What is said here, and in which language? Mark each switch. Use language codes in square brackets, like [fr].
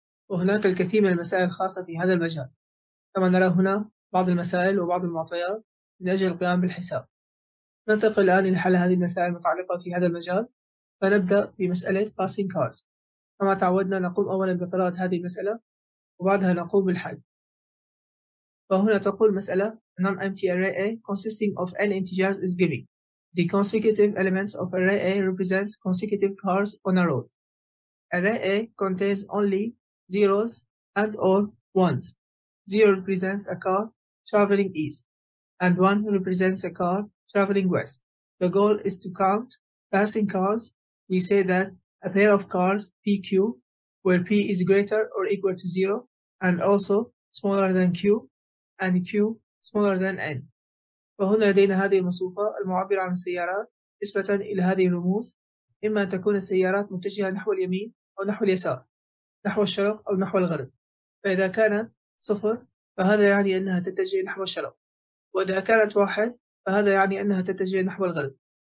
[ar] وهناك الكثير من المسائل الخاصة في هذا المجال، كما نرى هنا بعض المسائل وبعض المعطيات من أجل القيام بالحساب. ننتقل الآن إلى حل هذه المسائل المتعلقة في هذا المجال. فنبدأ بمسألة Passing Cards. كما تعودنا نقوم أولا بقراءة هذه المسألة وبعدها نقوم بالحل. فهنا تقول مسألة: [en] Non-empty array A consisting of n integers is given. The consecutive elements of array A represents consecutive cars on a road. Array A contains only zeros and or ones. Zero represents a car traveling east, and one represents a car traveling west. The goal is to count passing cars. We say that a pair of cars PQ, where P is greater or equal to zero, and also smaller than Q, and Q smaller than N. [ar] فهنا لدينا هذه المصفوفة المعبرة عن السيارات نسبة إلى هذه الرموز. إما أن تكون السيارات متجهة نحو اليمين أو نحو اليسار، نحو الشرق أو نحو الغرب. فإذا كانت صفر فهذا يعني أنها تتجه نحو الشرق، وإذا كانت واحد فهذا يعني أنها تتجه نحو الغرب.